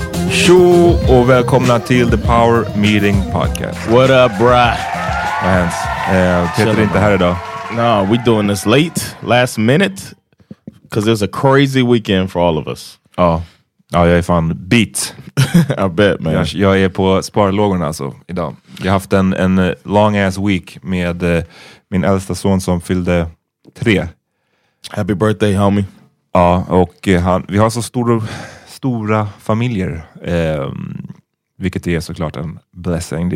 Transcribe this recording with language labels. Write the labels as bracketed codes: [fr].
[sv] Tjo och välkomna till The Power Meeting Podcast. [en] What up, bruh? [sv] Vad hänt? Peter är inte här idag. [en] No, we doing this late, last minute. Because it was a crazy weekend for all of us. [sv] Ja, ja, jag är fan beat. [en] I bet, man. [sv] Jag är på sparlågorna alltså idag. Jag har haft en [en] long ass week [sv] med min äldsta son som fyllde 3. [en] Happy birthday, homie. [sv] Ja, och vi har så stora familjer, vilket är såklart en blessing.